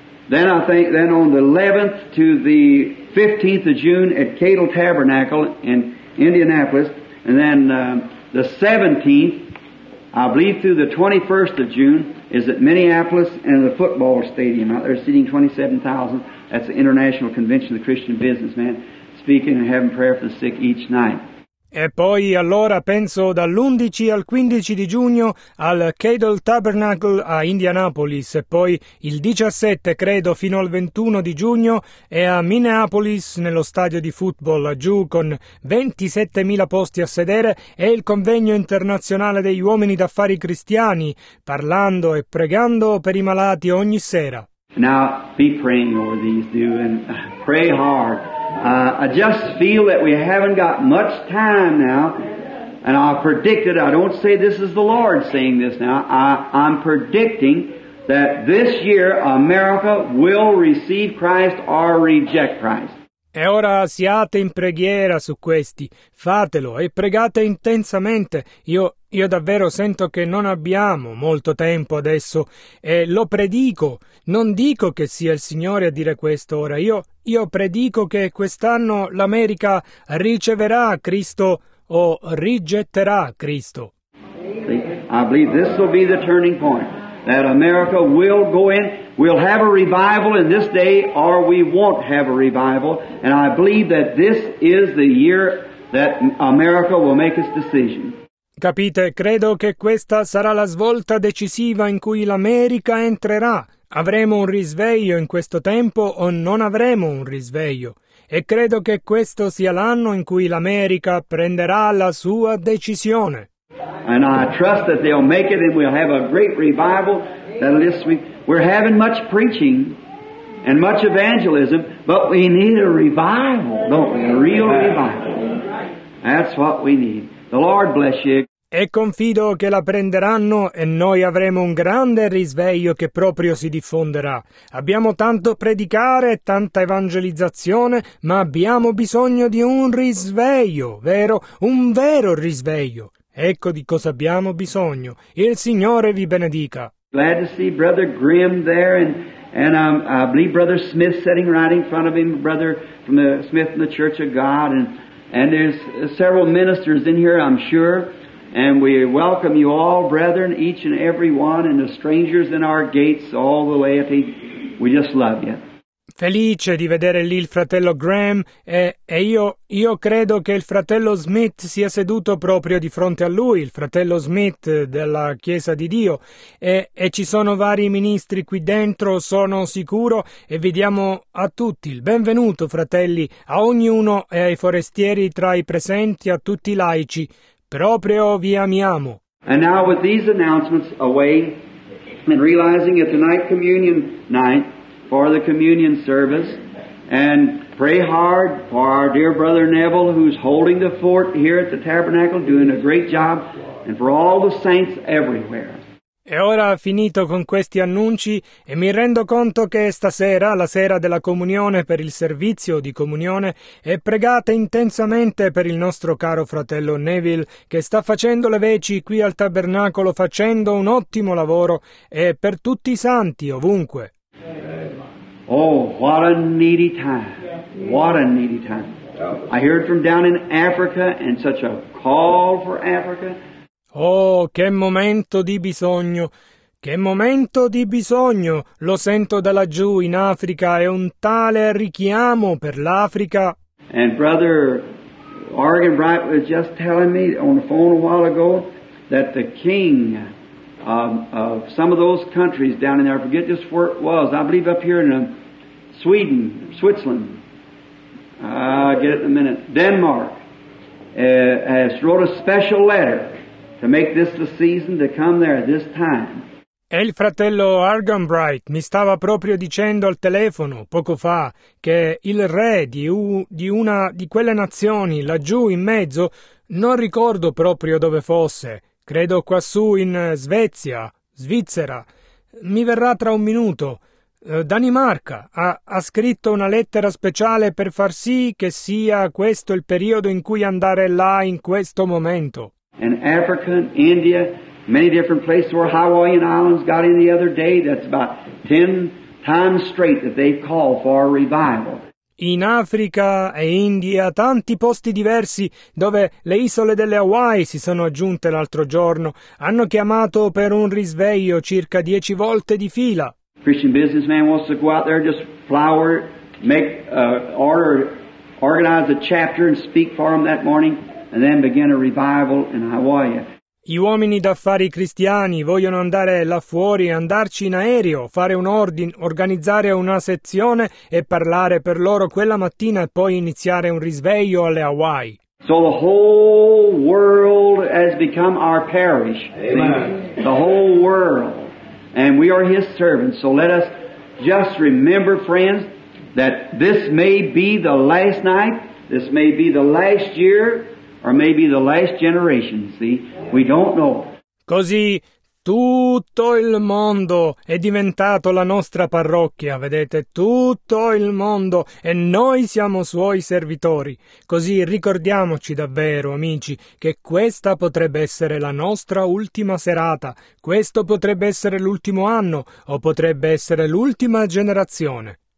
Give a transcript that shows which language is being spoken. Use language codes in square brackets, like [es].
[en] Then on the 11th to the 15th of June at Cato Tabernacle in Indianapolis, and then the 17th, I believe through the 21st of June, is at Minneapolis and the football stadium. Out there seating 27,000. That's the International Convention of the Christian Businessmen, speaking and having prayer for the sick each night. [it] E poi allora penso dall'11 al 15 di giugno al Cato Tabernacle a Indianapolis e poi il 17 credo fino al 21 di giugno è a Minneapolis nello stadio di football giù con 27.000 posti a sedere e il convegno internazionale degli uomini d'affari cristiani parlando e pregando per i malati ogni sera. [en] Now be praying over these two and pray hard. I just feel that we haven't got much time now, and I predicted, I don't say this is the Lord saying this now, I'm predicting that this year America will receive Christ or reject Christ. [it] E ora siate in preghiera su questi, fatelo e pregate intensamente, io davvero sento che non abbiamo molto tempo adesso e lo predico, non dico che sia il Signore a dire questo ora, io predico che quest'anno l'America riceverà Cristo o rigetterà Cristo. [en] I believe this will be the turning point, that America will go in, We'll have a revival in this day, or we won't have a revival. And I believe that this is the year that America will make its decision. [it] Capite, credo che questa sarà la svolta decisiva in cui l'America entrerà. Avremo un risveglio in questo tempo o non avremo un risveglio. E credo che questo sia l'anno in cui l'America prenderà la sua decisione. [en] And I trust that they'll make it and we'll have a great revival. We're having much preaching and much evangelism, but we need a revival, don't we? A real revival. That's what we need. The Lord bless you. [it] E confido che la prenderanno e noi avremo un grande risveglio che proprio si diffonderà. Abbiamo tanto predicare e tanta evangelizzazione, ma abbiamo bisogno di un risveglio, vero? Un vero risveglio. Ecco di cosa abbiamo bisogno. Il Signore vi benedica. [en] Glad to see Brother Grimm there, and I believe Brother Smith sitting right in front of him, Brother from the Smith in the Church of God, and there's several ministers in here, I'm sure. And we welcome you all, brethren, each and every one, and the strangers in our gates, all the laity. We just love you. [it] Felice di vedere lì il fratello Graham e io credo che il fratello Smith sia seduto proprio di fronte a lui, il fratello Smith della Chiesa di Dio, e ci sono vari ministri qui dentro, sono sicuro, e vi diamo a tutti il benvenuto, fratelli, a ognuno e ai forestieri tra i presenti, a tutti i laici. Proprio vi amiamo. [en] And now with these announcements away, and realizing it's tonight communion night for the communion service, and pray hard for our dear brother Neville, who's holding the fort here at the tabernacle, doing a great job, and for all the saints everywhere. [it] E ora finito con questi annunci e mi rendo conto che stasera, la sera della comunione per il servizio di comunione, è pregata intensamente per il nostro caro fratello Neville che sta facendo le veci qui al tabernacolo, facendo un ottimo lavoro, e per tutti i santi ovunque. [en] Oh, what a needy time. What a needy time. I heard from down in Africa and such a call for Africa. [it] Oh, che momento di bisogno! Che momento di bisogno! Lo sento da laggiù in Africa, è un tale richiamo per l'Africa. [en] And Brother Oregon Bright was just telling me on the phone a while ago that the king of some of those countries down in there, I forget just where it was, I believe up here in Sweden, Switzerland, I'll get it in a minute, Denmark, has wrote a special letter to make this the season to come there at this time. [it] E il fratello Argonbright mi stava proprio dicendo al telefono poco fa che il re di una di quelle nazioni laggiù in mezzo, non ricordo proprio dove fosse, credo quassù in Svizzera, mi verrà tra un minuto. Danimarca ha scritto una lettera speciale per far sì che sia questo il periodo in cui andare là in questo momento. [en] And Africa, and India, many different places where Hawaiian Islands got in the other day, that's about 10 times straight that they've called for a revival. [it] In Africa e India, tanti posti diversi dove le isole delle Hawaii si sono aggiunte l'altro giorno, hanno chiamato per un risveglio circa 10 volte di fila. [en] Christian businessman wants to go out there, just flower, make order, organize a chapter and speak for them that morning. And then begin a revival in Hawaii. [it] Gli uomini d'affari cristiani vogliono andare là fuori, andarci in aereo, fare un ordine, organizzare una sezione e parlare per loro quella mattina e poi iniziare un risveglio alle Hawaii. [en] So the whole world has become our parish. Amen. The whole world. And we are his servants. So let us just remember, friends, that this may be the last night, this may be the last year, or maybe the last generation, see? We don't know. [it] Così tutto il mondo è diventato la nostra parrocchia, vedete? Tutto il mondo, e noi siamo suoi servitori. Così ricordiamoci davvero, amici, che questa potrebbe essere la nostra ultima serata, questo potrebbe essere l'ultimo anno, o potrebbe essere l'ultima generazione.